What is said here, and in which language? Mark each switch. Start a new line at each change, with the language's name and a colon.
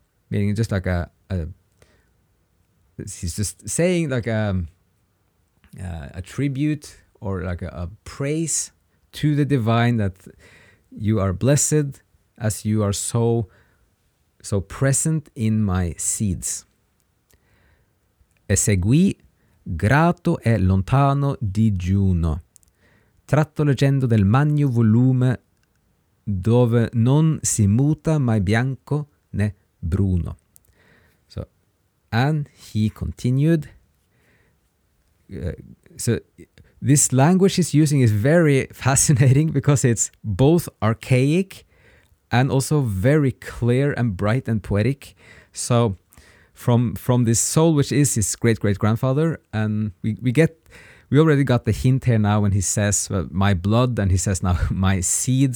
English: Meaning just like he's just saying like a tribute, or like a praise to the divine, that you are blessed as you are so present in my seeds.
Italian: E seguì, grato e lontano digiuno, tratto leggendo del magno volume dove non si muta mai bianco né bruno.
English: So, and he continued. So, this language he's using is very fascinating because it's both archaic and also very clear and bright and poetic. So, from this soul, which is his great-great-grandfather, and we already got the hint here now when he says, well, my blood, and he says now my seed.